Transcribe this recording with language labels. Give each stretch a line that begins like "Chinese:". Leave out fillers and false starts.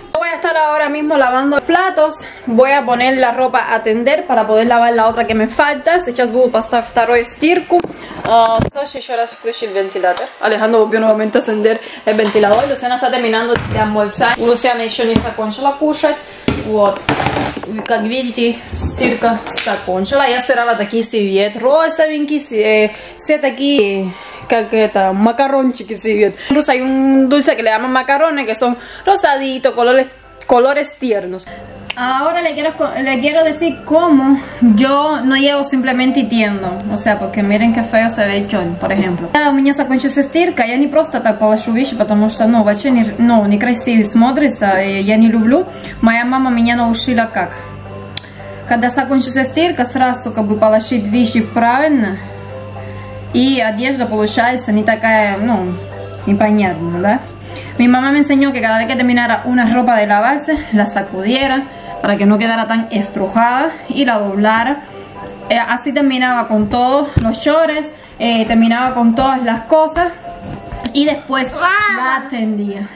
Spanish: Voy a estar ahora mismo lavando platos, voy a poner la ropa a tender para poder lavar la otra que me falta.
Russian: Сейчас буду pasar второй стирку. Саша еще раз включит вентилятор.
Spanish: Alejandro volvió nuevamente a encender el ventilador. Luciana está terminando de almorzar.
Russian: Luciana еще не закончила кушать. Вот. Как видите, стирка закончила. Я стирала такие цвет розовенький, все такие, как это, макарончики цвет.
Spanish: Плюс hay un dulce que le llaman macarrones, que son rosaditos, colores tiernos. Ahora le quiero decir cómo yo no llego simplemente y tiendo. O sea, porque miren qué feo se ve John, por ejemplo.
Russian: У меня закончилась стирка, я не просто так положу вещи, потому что, ну, вообще некрасиво смотрится, и я не люблю. Моя мама меня научила как. Когда закончилась стирка, сразу как бы положить вещи правильно, и одежда получается не такая, ну, непонятная, да?
Spanish: Mi mamá me enseñó que cada vez que terminara una ropa de lavarse, la sacudiera para que no quedara tan estrujada y la doblara. Así terminaba con todos los chores, terminaba con todas las cosas y después la tendía.